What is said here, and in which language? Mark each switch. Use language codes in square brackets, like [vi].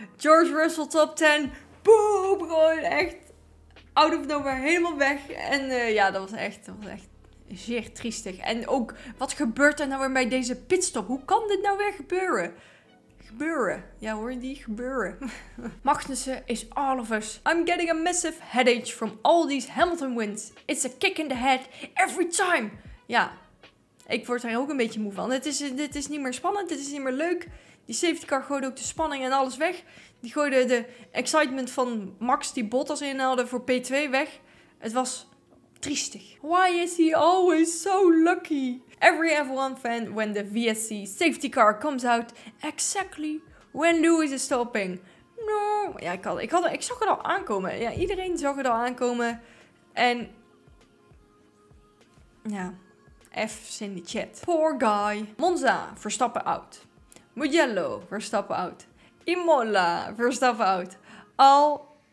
[nl] George Russell top 10. Boom, gewoon echt [en] out of nowhere, [nl] helemaal weg. En ja, dat was echt. Zeer triestig. En ook, wat gebeurt er nou weer bij deze pitstop? Hoe kan dit nou weer gebeuren? Ja hoor, die gebeuren. Magnussen [en] is all of us. I'm getting a massive headache from all these Hamilton wins. It's a kick in the head every time. [nl] Ja, ik word er ook een beetje moe van. Dit is niet meer spannend, dit is niet meer leuk. Die safety car gooide ook de spanning en alles weg. Die gooide de excitement van Max die Bottas inhaalde voor P2 weg. Het was... triestig. [en] Why is he always so lucky? Every F1 fan when the VSC safety car comes out exactly when Lewis is stopping. No. [nl] Ja, ik zag het al aankomen. Ja, iedereen zag het al aankomen. En... ja. F's in de chat. [en] Poor guy. [nl] Monza, Verstappen out. [en] Mugello, Verstappen out. Imola, Verstappen out. All...